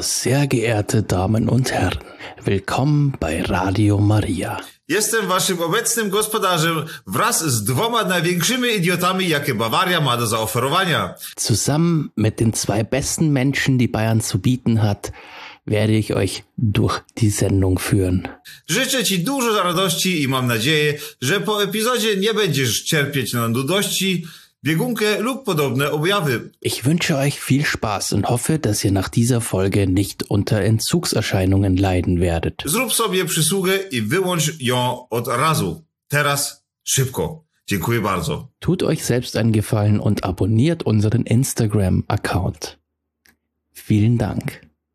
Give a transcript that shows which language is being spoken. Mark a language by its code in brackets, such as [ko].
[de] Sehr geehrte Damen und Herren, willkommen bei Radio Maria. [pl] Jestem waszym obecnym gospodarzem wraz z dwoma największymi idiotami, jakie Bawaria ma do zaoferowania. [de] Zusammen mit den zwei besten Menschen, die Bayern zu bieten hat, werde ich euch durch die Sendung führen. [pl] Życzę ci dużo radości i mam nadzieję, że po epizodzie nie będziesz cierpieć na nudości, Biegunke lub podobne objawy. [de] Ich wünsche euch viel Spaß und hoffe, dass ihr nach dieser Folge nicht unter Entzugserscheinungen leiden werdet. [pl] Zrób sobie przysługę i wyłącz ją od razu. Teraz szybko. Dziękuję bardzo. [de] Tut euch selbst einen Gefallen und abonniert unseren Instagram-Account. Vielen Dank.